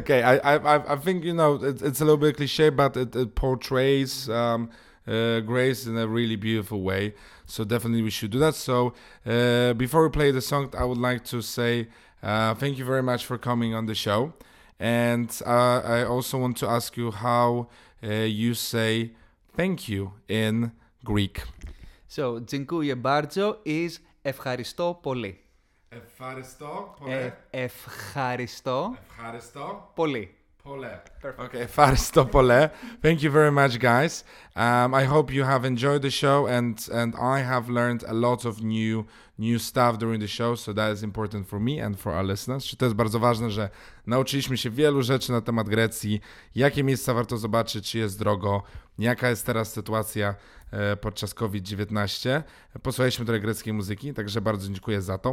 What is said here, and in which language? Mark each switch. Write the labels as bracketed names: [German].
[English] I think, you know, it's a little bit cliche, but it portrays Grace in a really beautiful way. So definitely we should do that. So before we play the song, I would like to say thank you very much for coming on the show. And I also want to ask you how you say thank you in Greek. So, [Polish] dziękuję bardzo [English] is [Greek] ευχαριστώ πολύ. Ευχαριστώ πολύ. Ευχαριστώ. Ευχαριστώ. Πολύ. Πολύ. [English] Perfect. Okay, [Greek] ευχαριστώ πολύ. [English] Thank you very much, guys. I hope you have enjoyed the show, and I have learned a lot of new stuff during the show, so that is important for me and for our listeners. [Polish] To jest bardzo ważne, że nauczyliśmy się wielu rzeczy na temat Grecji, jakie miejsca warto zobaczyć, czy jest drogo, jaka jest teraz sytuacja podczas COVID-19. Posłuchaliśmy trochę greckiej muzyki, także bardzo dziękuję za to.